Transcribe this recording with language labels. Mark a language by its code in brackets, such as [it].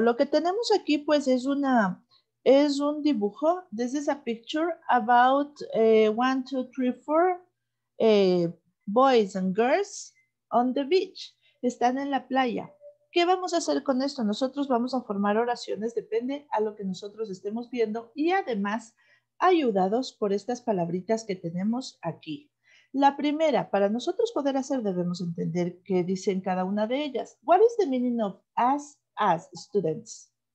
[es] Lo que tenemos aquí, pues, es un dibujo. [en] This is a picture about 1, 2, 3, 4 boys and girls on the beach. [es] Están en la playa. ¿Qué vamos a hacer con esto? Nosotros vamos a formar oraciones, depende a lo que nosotros estemos viendo. Y además, ayudados por estas palabritas que tenemos aquí. La primera, para nosotros poder hacer, debemos entender qué dicen cada una de ellas. [en] What is the meaning of as students?